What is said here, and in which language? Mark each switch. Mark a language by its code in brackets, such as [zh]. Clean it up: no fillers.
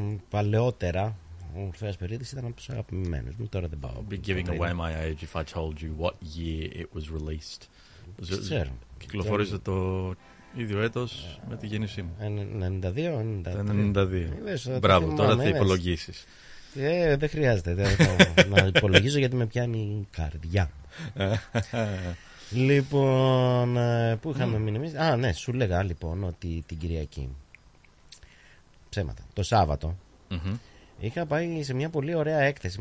[el] Παλαιότερα ο Ορφέας Περίδης ήταν από τους αγαπημένους μου, τώρα δεν πάω. [en] I'd be giving away my age if I told you what year it was released. [el] Ξέρω. Κυκλοφόρησε το ίδιο έτος με τη γέννησή μου. 92. Μπράβο, τώρα θα υπολογίσεις. Δεν χρειάζεται να υπολογίζω γιατί με πιάνει η καρδιά. Λοιπόν, πού είχαμε μείνει εμείς? Α, ναι, σου λέγα λοιπόν ότι την Κυριακή, ψέματα, το Σάββατο, είχα πάει σε μια πολύ ωραία έκθεση.